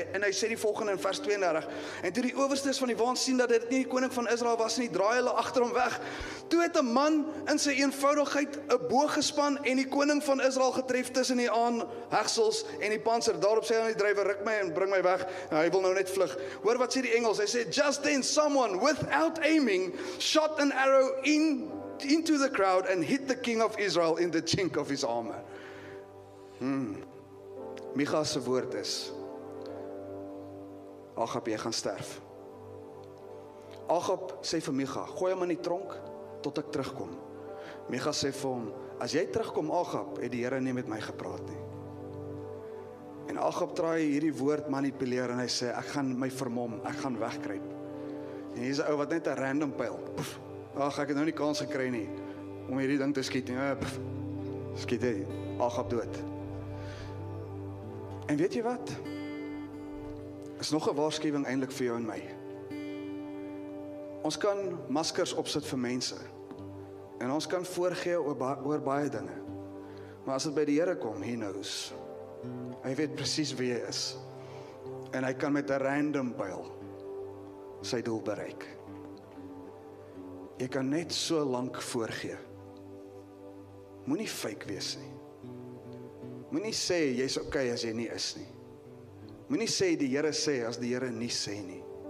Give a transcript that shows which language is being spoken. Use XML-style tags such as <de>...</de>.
<af>En hy sê die volgende in vers 32. En toe die owerstes van die waans sien dat dit nie die koning van Israel was nie, draai hulle agter hom weg. Toe het 'n man in sy eenvoudigheid 'n boog gespan en die koning van Israel getref tussen die aanhegsels en die panser. Daarop sê hy aan die drywer, ruk my en bring my weg. En hy wil nou net vlug. Hoor wat sê die engels? Hy sê</af> <en>just then someone without aiming shot an arrow into the crowd and hit the king of Israel in the chink of his armor.</en> <af>Micha se woord is Agab, jy gaan sterf. Agab sê vir Micha, gooi hom in die tronk tot ek terugkom. Micha sê vir hom, as jy terugkom Agab, het die Here nie met my gepraat nie. En Agab probeer hierdie woord manipuleer en hy sê ek gaan my vermom, ek gaan wegkruip. En hier's 'n ou wat net 'n random pyl. Ag, ek het nou nie kans gekry nie om hierdie ding te skiet nie. Skiet hy Agab dood. En weet jy wat? Is nog 'n waarskuwing eintlik vir jou en my. Ons kan maskers opsit vir mense. En ons kan voorgee oor baie dinge. Maar as dit by die Here kom,</af> <en>He knows.</en> <af>Hy weet presies wie jy is. En hy kan met 'n random pyl sy doel bereik. Jy kan net so lank voorgee. Moenie fake wees nie. Moenie sê jy's okay as jy nie is nie. Moenie sê die Here sê as die Here nie sê nie.</af>